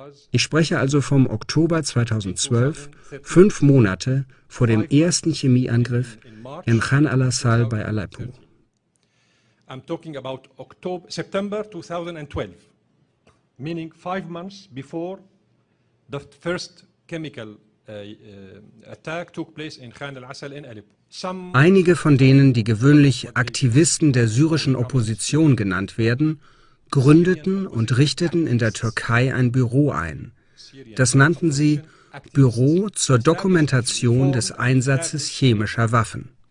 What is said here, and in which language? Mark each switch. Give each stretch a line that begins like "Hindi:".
German: Ich spreche also vom Oktober 2012, 5 Monate vor dem ersten Chemieangriff in Khan al-Asal bei Aleppo.
English: I'm talking about September 2012, meaning 5 months before the first chemical attack took place in Khan al-Asal in Aleppo.
German: Einige von denen, die gewöhnlich Aktivisten der syrischen Opposition genannt werden, gründeten und richteten in der Türkei ein Büro ein. Das nannten sie Büro zur Dokumentation des Einsatzes chemischer Waffen.